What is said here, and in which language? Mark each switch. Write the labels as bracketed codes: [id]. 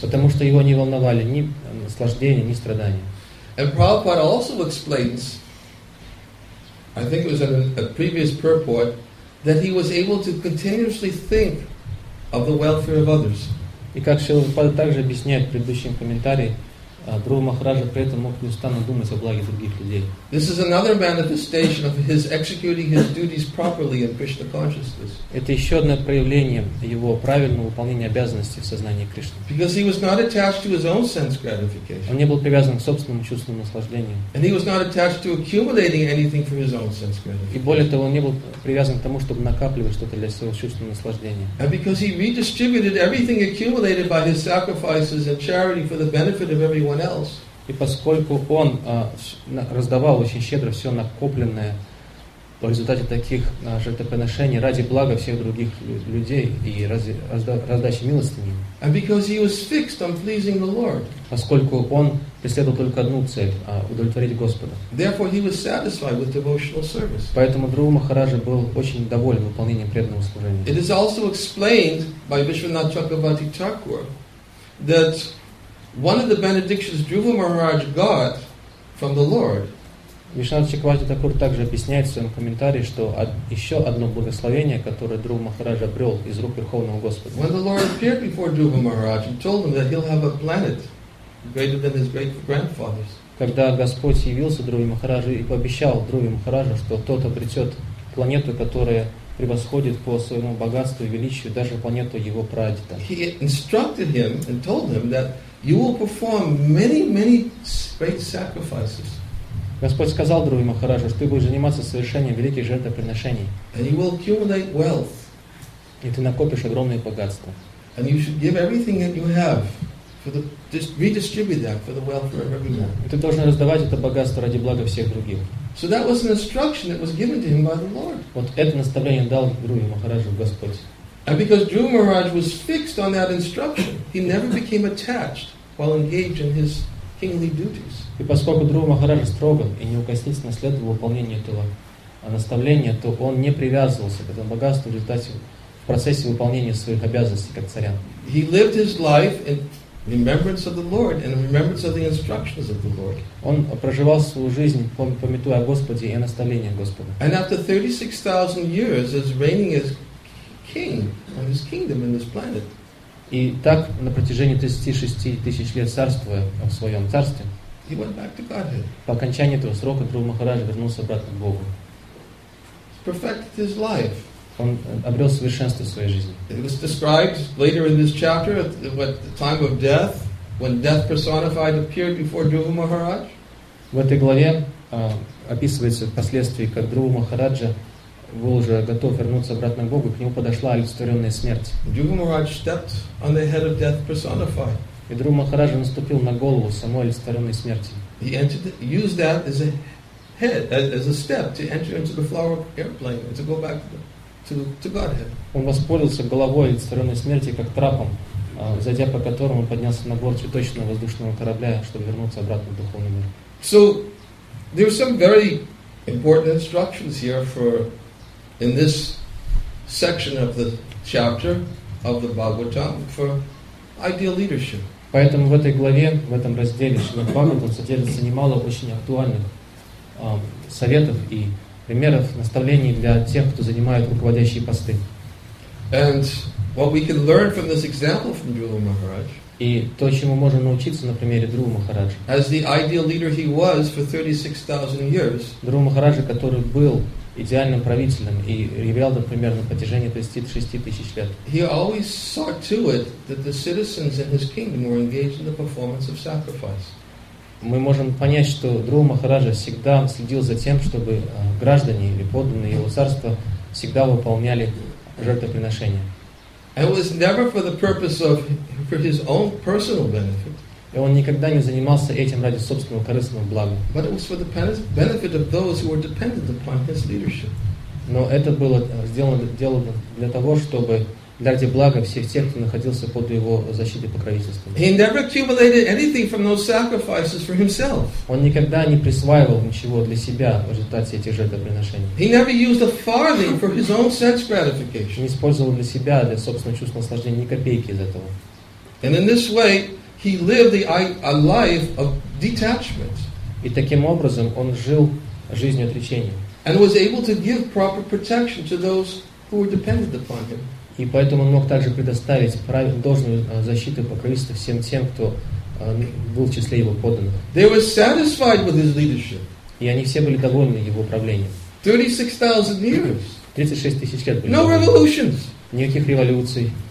[ru] Потому что его не волновали ни наслаждения, ни страдания. [en] And Prabhupada also explains, I think it was in a previous purport, that he was able to continuously think of the welfare of others. [ru] И как Шрила Прабхупада также объясняет в предыдущем комментарии, Дхрува Махараджа при этом мог неустанно думать о благе других людей. [en] This is another manifestation of his executing his duties properly in Krishna consciousness. [ru] Это еще одно проявление его правильного выполнения обязанностей в сознании Кришны. [en] Because he was not attached to his own sense gratification. [ru] Он не был привязан к собственному чувственному наслаждению. [en] And he was not attached to accumulating anything for his own sense gratification. [ru] И более того, он не был привязан к тому, чтобы накапливать что-то для своего чувственного наслаждения. [en] And because he redistributed everything accumulated by his sacrifices and charity for the benefit of everyone else. [ru] И поскольку он раздавал очень щедро все накопленное в результате таких жертвоприношений ради блага всех других людей и раздачи милостыни. [en] And because he was fixed on pleasing the Lord. [ru] Поскольку он преследовал только одну цель, удовлетворить Господа. [en] Therefore he was satisfied with devotional service. [ru] Поэтому Друва Махараджа был очень доволен выполнением преданного служения. [en] It is also explained by Vishwanath Chakravarti Thakur that one of the benedictions Druva Maharaj got from the Lord. [ru] Вишванат Чакравати Такур также объясняет в своем комментарии, что еще одно благословение, которое Друва Махарадж обрел из рук Верховного Господа. [en] When the Lord appeared before Druva Maharaj and told him that he'll have a planet greater than his great grandfather's. [ru] Когда Господь явился Друве Махараджу и пообещал Друве Махараджу, что тот обретет планету, которая превосходит по своему богатству и величию даже планету его прадеда. [en] He instructed him and told him that you will perform many, many great sacrifices. [ru] Господь сказал Друве Махараджу, что ты будешь заниматься совершением великих жертвоприношений. [en] And you will accumulate wealth. [ru] И ты накопишь огромные богатства. [en] And you should give everything that you have for the just redistribute that for the welfare of everyone. [ru] Ты должен раздавать это богатство ради блага всех других. [en] So that was an instruction that was given to him by the Lord. [ru] Вот это наставление дал Друве Махараджу Господь. [en] And because Druva Maharaj was fixed on that instruction, he never became attached while engaged in his kingly duties. [ru] И поскольку Друва Махараджа строго и неукоснительно следовал выполнению этого наставления, то он не привязывался к этому богатству в результате в процессе выполнения своих обязанностей как царя. [en] He lived his life in remembrance of the Lord and in remembrance of the instructions of the Lord. [ru] Он проживал свою жизнь, памятуя о Господе и наставления Господа. [en] And after 36,000 years as reigning as king on his kingdom in this planet. [ru] И так на протяжении 36,000 лет царствуя в своем царстве. [en] He went back to Godhead. [ru] По окончании этого срока Друва Махараджа вернулся обратно к Богу. [en] Perfected his life. [ru] Он обрел совершенство в своей жизни. [en] It was described later in this chapter at the time of death, when death personified appeared before Druva Maharaj. [ru] В этой главе описывается впоследствии, как Друва Махараджа был уже готов вернуться обратно к Богу, и к нему подошла олицетворенная смерть. [en] Druva Maharaj stepped on the head of death personified. [ru] И Друва Махараджа наступил на голову самой олицетворенной смерти. [en] He entered, used that as a head, as a step to enter into the flower airplane and to go back to Godhead. [ru] Он воспользовался головой олицетворенной смерти как трапом, зайдя по которому поднялся на борт цветочного воздушного корабля, чтобы вернуться обратно в духовный мир. [en] So there are some very important instructions here in this section of the chapter of the Bhagavatam for ideal leadership. [ru] Поэтому в этой главе, в этом разделе Шримад Бхагаватам содержится немало очень актуальных советов и примеров наставлений для тех, кто занимает руководящие посты. [en] And what we can learn from this example from Druva Maharaj. [ru] И то, чему можно научиться на примере Друва Махараджа. [en] As the ideal leader he was for 36,000 years. [ru] Друва Махараджа, который был идеальным правителем и являл, например, на протяжении 36,000 лет. [en] He always saw to it that the citizens in his kingdom were engaged in the performance of sacrifice. [ru] Мы можем понять, что Друва Махараджа всегда следил за тем, чтобы граждане или подданные его царства всегда выполняли жертвоприношения. [en] It was never for the purpose of for his own personal benefit. [ru] И он никогда не занимался этим ради собственного корыстного блага. [en] But it was for the benefit of those who were dependent upon his leadership. [ru] Но это было сделано для того, чтобы ради блага всех тех, кто находился под его защитой и покровительством. [en] He never accumulated anything from those sacrifices for himself. [ru] Он никогда не присваивал ничего для себя в результате этих жертвоприношений. [en] He never used a farthing for his own sense gratification. [ru] Не использовал для себя, для собственного чувства наслаждения, ни копейки из этого. [en] And in this way, he lived a life of detachment. [ru] И таким образом он жил жизнью отречения. [en] And was able to give proper protection to those who were dependent upon him. [ru] И поэтому он мог также предоставить должную защиту и покровительство всем тем, кто был в числе его подданных. [en] They were satisfied with his leadership. [ru] И они все были довольны его правлением. [en] 36,000 years. [ru] 36,000 лет. [en] No revolutions. [ru] Никаких революций.